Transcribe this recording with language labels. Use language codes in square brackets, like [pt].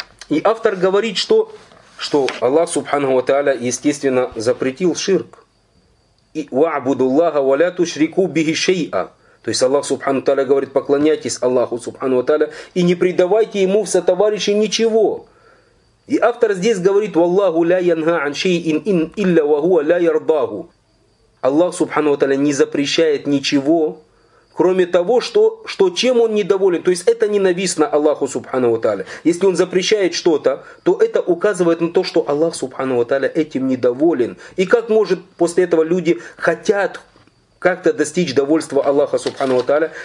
[ru] И автор говорит, что Аллах субхана ва тааля, естественно, запретил ширк. [ar] وَعْبُدُ اللَّهَ وَلَا تُشْرِكُوا بِهِ شَيْئًا. [ru] То есть Аллах Субхану Тааля говорит, поклоняйтесь Аллаху Субхану Тааля и не предавайте ему в сотоварищи ничего. И автор здесь говорит, [ar] وَاللَّهُ لَا يَنْهَا عَنْ شَيْءٍ إِلَّا وَهُوَ لَا يَرْضَاهُ. [ru] Аллах Субхану Тааля не запрещает ничего, кроме того, что чем он недоволен. То есть это ненавистно Аллаху Субхану Тааля. Если он запрещает что-то, то это указывает на то, что Аллах Субхану Тааля этим недоволен. И как может после этого люди хотят как-то достичь довольства Аллаха Субхану Тааля?